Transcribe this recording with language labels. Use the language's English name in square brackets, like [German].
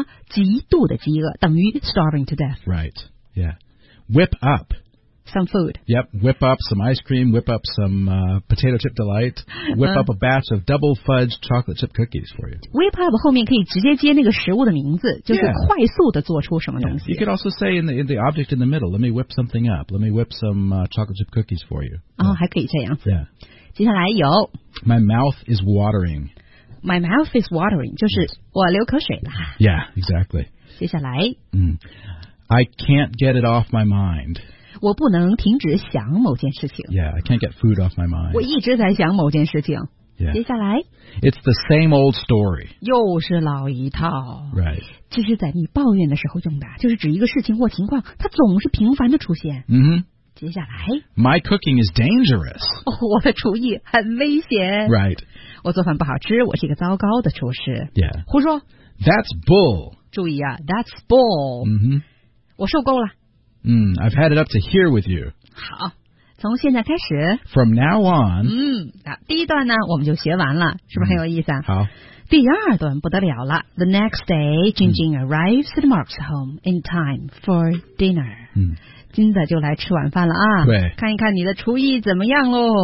[Chinese] Mm-hmm. 极度的饥饿，等于 [English] starving to death。 Right. Yeah. Whip up。 some food. Yep, whip up some ice cream, whip up some potato chip delight, whip up a batch of double fudge chocolate chip cookies for you. Whip up [Chinese] 后面可以直接接那个食物的名字，就是快速的做出什么东西。 [English] Yeah. You could also say in the object in the middle, let me whip something up, let me whip some chocolate chip cookies for you. [Chinese] 哦、oh, yeah. 还可以这样。 [English] Yeah. [Chinese] 接下来有 [English] My mouth is watering. My mouth is watering, [Chinese] 就是我流口水了。 [English] Yeah, exactly. [Chinese] 接下来、 [English] I can't get it off my mind. [Chinese] 我不能停止想某件事情。 [English] Yeah, I can't get food off my mind. [Chinese] 我一直在想某件事情。 [English] Yeah. [Chinese] 接下来。 [English] It's the same old story. [Chinese] 又是老一套。 [English] Right. [Chinese] 这是在你抱怨的时候用的，就是指一个事情或情况，它总是频繁的出现。 Mm-hmm. 接下来。 [English] My cooking is dangerous. [Chinese] 我的厨艺很危险。 [English] Right. [Chinese] 我做饭不好吃，我是一个糟糕的厨师。 [English] Yeah. [Chinese] 胡说。 [English] That's bull. 注意啊 ,that's bull. Mm-hmm. [Chinese] 我受够了。 [English] I've had it up to here with you. [Chinese] 好，从现在开始。 [English] From now on. [Chinese] 第一段呢，我们就学完了，是不是很有意思啊？好。第二段不得了了。 [English] The next day, Jingjing arrives at Mark's home in time for dinner. [Chinese] 金子就来吃晚饭了啊。对。看一看你的厨艺怎么样喽。